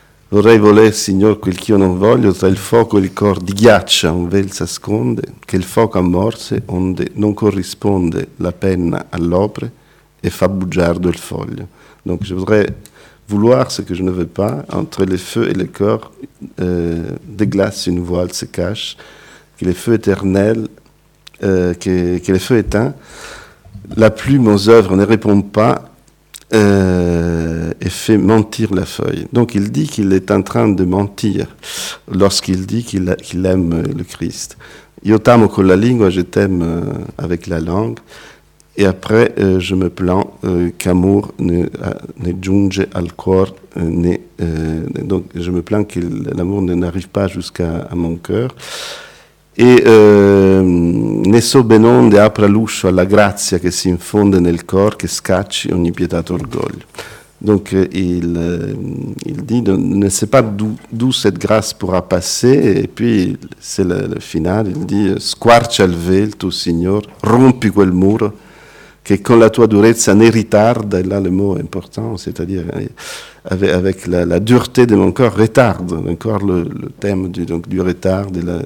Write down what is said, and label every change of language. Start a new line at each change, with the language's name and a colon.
Italian: Vorrei voler, signor, quel ch'io non voglio, tra il fuoco e il cor di ghiaccio, un vel s'asconde, che il fuoco ammorse, onde non corrisponde la penna all'opre, et fa bugiardo il foglio.
French: Donc je voudrais vouloir ce que je ne veux pas, entre les feux et les corps, des glaces, une voile se cache, que les feux éternels, que les feux éteints, la plume aux œuvres ne répond pas, et fait mentir la feuille. Donc il dit qu'il est en train de mentir lorsqu'il dit qu'il aime le Christ.
Italian: Io t'amo con la lingua,
French: je t'aime avec la langue. Et après, je me plains qu'amour
Italian: ne giunge al cuor,
French: donc je me plains que l'amour n'arrive pas jusqu'à mon cœur.
Italian: E ne so ben onde apra l'uscio alla grazia che si infonde nel cor che scacci ogni pietato orgoglio.
French: Donc il dit ne sait pas d'où cette grâce pourra passer, et puis c'est le final, il dit
Italian: squarcia il velo, tu signor, rompi quel muro che con la tua durezza ne ritarda,
French: et là le mot est important, c'est-à-dire avec la dureté de mon corps, retarde, encore le thème du retard, de